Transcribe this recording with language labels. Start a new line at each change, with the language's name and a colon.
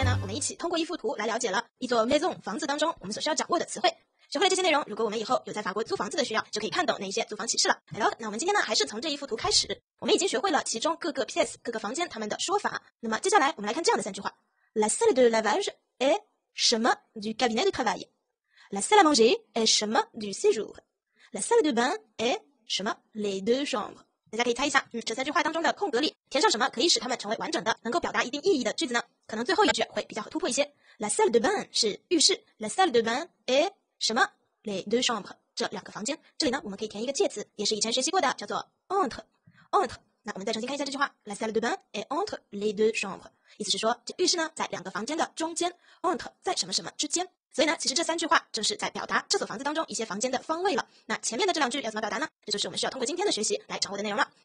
Chinese: 一起通过一幅图来了解了一座 maison 房子当中我们所需要掌握的词汇，学会了这些内容，如果我们以后有在法国租房子的需要，就可以看懂那些租房启示了。 Hello， 那我们今天呢还是从这一幅图开始，我们已经学会了其中各个 pièce 各个房间它们的说法。
French: 那么接下来我们来看这样的三句话： La salle de lavage est 什么 du cabinet de travail， La salle à manger est 什么 du séjour， La salle de bain est 什么 les deux chambres。
Chinese: 大家可以猜一下，这三句话当中的空格里填上什么可以使它们成为完整的能够表达一定意义的句子呢？可能最后一句会比较好突破一些。
French: La salle de bain 是浴室， La salle de bain est 什么 les deux chambres 这两个房间。
Chinese: 这里呢我们可以填一个介词，也是以前学习过的，叫做 entre， entre。那我们再重新看一下这句话， La salle de bain est entre les deux chambres，意思是说这浴室呢在两个房间的中间， entre 在什么什么之间。所以呢其实这三句话正是在表达这所房子当中一些房间的方位了。那前面的这两句要怎么表达呢？这就是我们需要通过今天的学习来掌握的内容了。